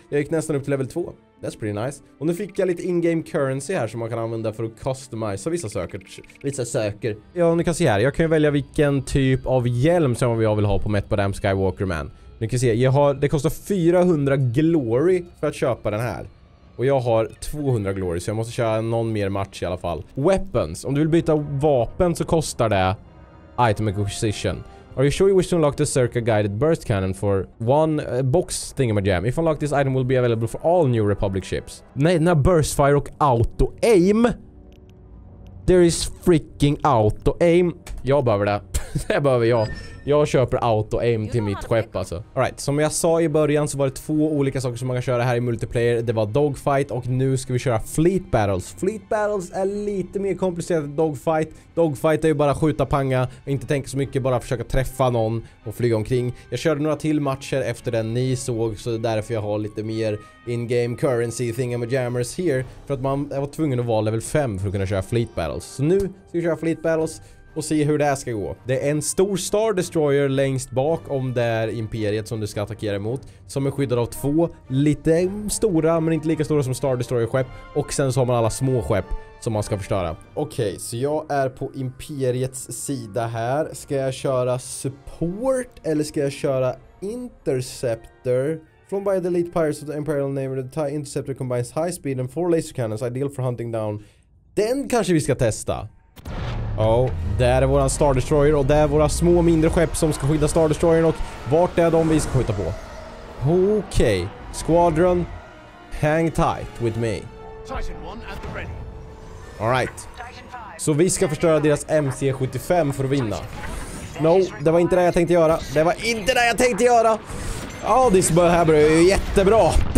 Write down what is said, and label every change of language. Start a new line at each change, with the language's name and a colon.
Swedish: Jag gick nästan upp till level 2.
English: That's pretty nice.
Swedish: Och nu fick jag lite in-game currency här som man kan använda för att customize vissa söker. Ja, ni kan se här. Jag kan ju välja vilken typ av hjälm som jag vill ha på Metbadam Skywalker Man. Ni kan se, det kostar 400 glory för att köpa den här. Och jag har 200 glory, så jag måste köra någon mer match i alla fall. Weapons. Om du vill byta vapen så kostar det item acquisition.
English: Are you sure you wish to unlock the Circa Guided Burst Cannon for one box thingamajam? If unlocked this item will be available for all New Republic ships.
Swedish: Nej, den här Burst Fire och Auto Aim.
English: There is freaking Auto Aim.
Swedish: Jag behöver det. Det behöver jag. Jag köper auto-aim till mitt skepp alltså. All right, som jag sa i början så var det 2 olika saker som man kan köra här i multiplayer. Det var dogfight och nu ska vi köra fleet battles. Fleet battles är lite mer komplicerat än dogfight. Dogfight är ju bara skjuta panga. Inte tänka så mycket, bara försöka träffa någon och flyga omkring. Jag körde några till matcher efter den ni såg, så det är därför jag har lite mer in-game currency thingamajammers here. För att man var tvungen att vara level 5 för att kunna köra fleet battles. Så nu ska vi köra fleet battles. Och se hur det här ska gå. Det är en stor Star Destroyer längst bak om det är Imperiet som du ska attackera emot. Som är skyddad av 2 lite stora men inte lika stora som Star Destroyer-skepp. Och sen så har man alla små skepp som man ska förstöra. Okej, okay, så jag är på Imperiets sida här. Ska jag köra support eller ska jag köra interceptor?
English: Flown by the elite pirates of the Imperial Navy, the TIE interceptor combines high speed and 4 laser cannons, ideal for hunting down.
Swedish: Den kanske vi ska testa. Oh, där är våran Star Destroyer och där är våra små mindre skepp som ska skydda Star Destroyern. Och vart är de vi ska skjuta på? Okej, okay.
English: Squadron, hang tight with me. Titan 1 at the ready. All right.
Swedish: Så vi ska förstöra deras MC-75 för att vinna. No, det var inte det jag tänkte göra. Det var inte det jag tänkte göra. Ja, oh, det här är ju jättebra.